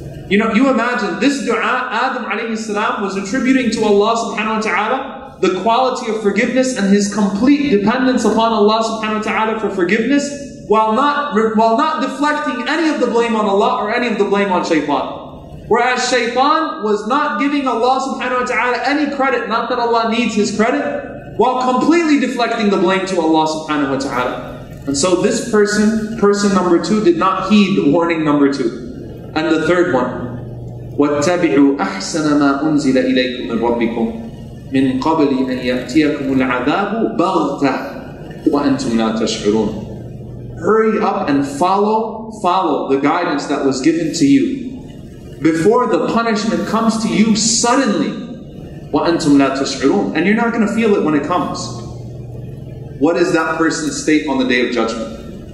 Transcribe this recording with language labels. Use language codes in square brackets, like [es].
[en] You know, you imagine, this dua, Adam alayhi salam was attributing to Allah subhanahu wa ta'ala the quality of forgiveness and his complete dependence upon Allah subhanahu wa ta'ala for forgiveness, while not deflecting any of the blame on Allah or any of the blame on Shaytan. Whereas Shaytan was not giving Allah subhanahu wa ta'ala any credit, not that Allah needs his credit, while completely deflecting the blame to Allah subhanahu wa ta'ala. And so this person number two, did not heed warning number two. And the third one, [ar] وَاتَّبِعُوا أَحْسَنَ مَا أُنزِلَ إِلَيْكُمْ مِنْ رَبِّكُمْ مِنْ قَبْلِ أَنْ يَأْتِيَكُمُ الْعَذَابُ بَغْتَةً وَأَنْتُمْ لَا تَشْعُرُونَ. [en] Hurry up and follow the guidance that was given to you before the punishment comes to you suddenly. [ar] وَأَنْتُمْ لَا تَشْعُرُونَ. [en] And you're not going to feel it when it comes. What is that person's state on the Day of Judgment?